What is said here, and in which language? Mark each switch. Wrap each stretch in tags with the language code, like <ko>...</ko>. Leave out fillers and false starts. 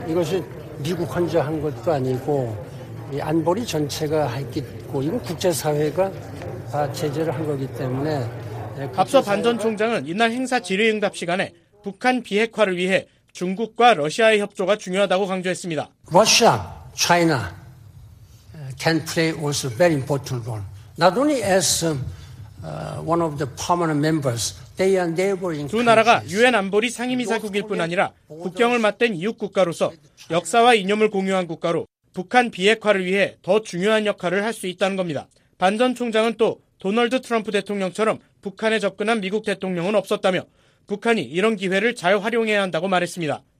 <ko>이것이 미국 혼자 한 것도 아니고 이 안보리 전체가 했고 이건 국제사회가 다 제재를 한 거기 때문에. 국제사회가... 앞서 반 전 총장은 이날 행사 질의응답 시간에 북한 비핵화를 위해 중국과 러시아의 협조가 중요하다고 강조했습니다.</ko> <en>Russia, China. Can play also very important role. Not only as one of the permanent members, they are neighboring countries.</en> <ko>두 나라가 유엔 안보리 상임이사국일 뿐 아니라 국경을 맞댄 이웃 국가로서 역사와 이념을 공유한 국가로 북한 비핵화를 위해 더 중요한 역할을 할 수 있다는 겁니다. 반 전 총장은 또 도널드 트럼프 대통령처럼 북한에 접근한 미국 대통령은 없었다며 북한이 이런 기회를 잘 활용해야 한다고 말했습니다.</ko>